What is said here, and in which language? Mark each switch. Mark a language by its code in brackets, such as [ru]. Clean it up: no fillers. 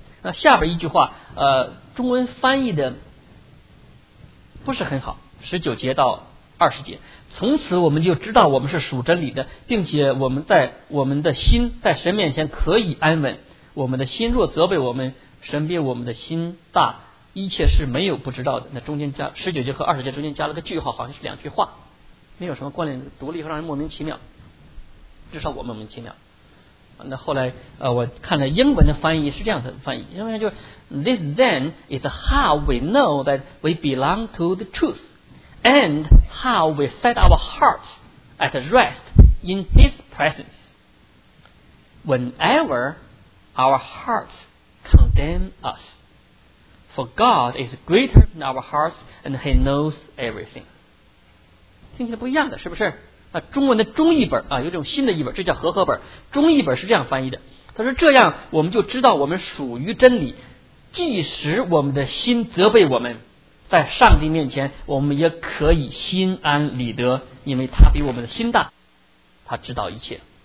[zh] 那下边一句话中文翻译的不是很好，十九节到二十节，从此我们就知道我们是属真理的，并且我们在我们的心在神面前可以安稳。我们的心若责备我们，神比我们的心大，一切是没有不知道的。那中间加十九节和二十节中间加了个句号，好像是两句话，没有什么关联，独立和让人莫名其妙，至少我们莫名其妙。那后来我看了英文的翻译是这样的翻译，英文就是 [en] This then is how we know that we belong to the truth and how we set our hearts at rest in his presence whenever our hearts condemn us. For God is greater than our hearts and he knows everything. [zh] 听起来不一样的是不是？那中文的中译本啊，有这种新的译本，这叫和合本。中译本是这样翻译的，他说这样我们就知道我们属于真理，即使我们的心责备我们，在上帝面前我们也可以心安理得，因为他比我们的心大，他知道一切。